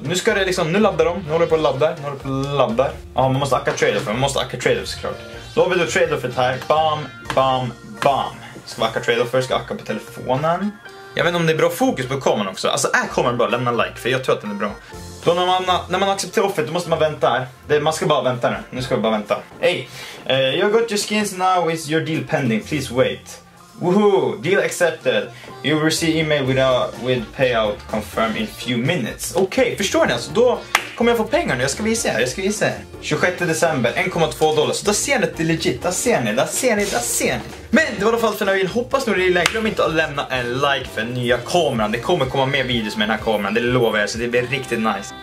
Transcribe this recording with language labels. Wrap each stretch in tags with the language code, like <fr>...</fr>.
<sv>Nu ska det liksom, nu laddar de, nu håller du på att ladda. Ja, man måste acka trade-off såklart. Då har vi då trade-offet här, bam, bam, bam. Ska vi acka trade-offer, ska acka på telefonen. Jag vet inte om det är bra fokus på kameran också. Alltså är kameran bra, lämna like, för jag tror att den är bra. Då när man accepterar offret, då måste man vänta här. Man ska bara vänta nu,</sv> <en>Hey, you got your skins now, is your deal pending, please wait. Woohoo, deal accepted. You will receive email with payout confirmed in few minutes.</en> <sv>Okej, förstår ni alltså, då kommer jag få pengar nu, jag ska visa er. 26 december, 1,2 dollar, så där ser ni att det är legit, där ser ni. Men det var i alla fall för när vi hoppas nu det är länge. Glöm inte att lämna en like för nya kameran. Det kommer komma mer videos med den här kameran, det lovar jag, så det blir riktigt nice.</sv>